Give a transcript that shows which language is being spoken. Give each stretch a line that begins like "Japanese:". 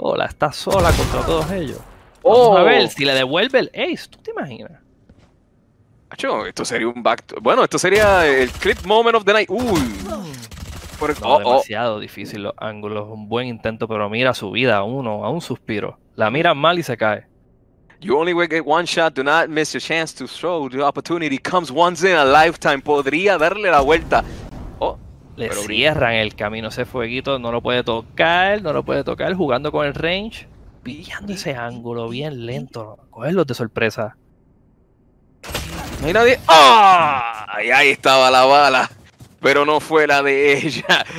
Spanish: Está sola contra todos ellos. Oh. Vamos a ver si le devuelve el ace. ¿Tú te imaginas? Acho, esto sería un
English: back to...
Spanish: Bueno, esto sería el
English: clip moment of the night.
Spanish: Uy. Demasiado difícil los ángulos. Un buen intento, pero mira su vida. Uno, a un suspiro. La mira mal y se cae.
English: You only get one shot. Do not miss your chance to throw. The opportunity comes once in a lifetime.
Spanish: Podría darle la vuelta. Oh, le cierran el camino ese fueguito. No lo puede tocar. No lo puede tocar. Jugando con el range. Pillando ese ángulo bien lento. Cogerlos de sorpresa. No hay nadie. ¡Ah! Y ahí estaba la bala. Pero no fue la de ella.